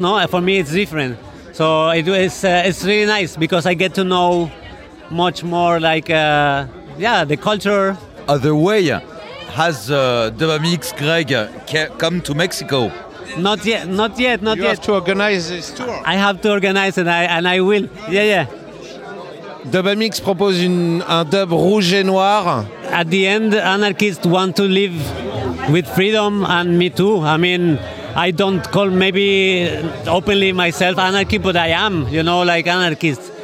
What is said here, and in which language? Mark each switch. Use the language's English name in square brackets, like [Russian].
[English] No, for me it's different, so it's really nice because I get to know much more like the culture other way. Has Dubamix Greg come to Mexico? Not yet. You have to organize this tour. I have to organize it, and I will. Yeah, yeah. [French] Dubamix propose un dub rouge et noir. [English] At the end, anarchists want to live with freedom, and me too. I mean, I don't call maybe openly myself anarchy, but I am, you know, like anarchist.